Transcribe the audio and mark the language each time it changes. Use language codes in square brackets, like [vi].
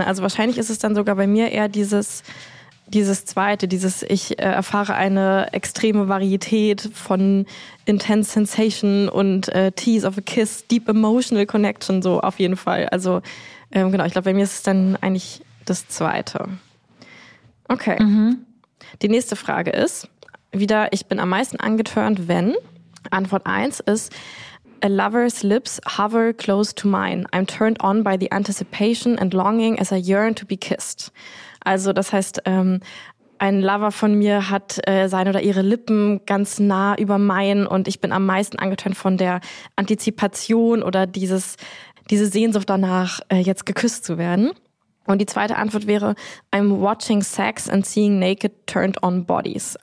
[de] Also wahrscheinlich ist es dann sogar bei mir eher dieses zweite, dieses ich erfahre eine extreme Varietät von intense sensation und tease of a kiss, deep emotional connection, so auf jeden Fall. Also genau, ich glaube, bei mir ist es dann eigentlich das zweite. Okay. Mhm. Die nächste Frage ist, wieder, ich bin am meisten angeturnt, wenn, Antwort 1 ist, a lover's lips hover close to mine. [en] I'm turned on by the anticipation and longing as I yearn to be kissed. [de] Also das heißt, ein Lover von mir hat seine oder ihre Lippen ganz nah über meinen und ich bin am meisten angetönt von der Antizipation oder diese Sehnsucht danach, jetzt geküsst zu werden. [en] Und die zweite Antwort wäre, I'm watching sex and seeing naked turned on bodies.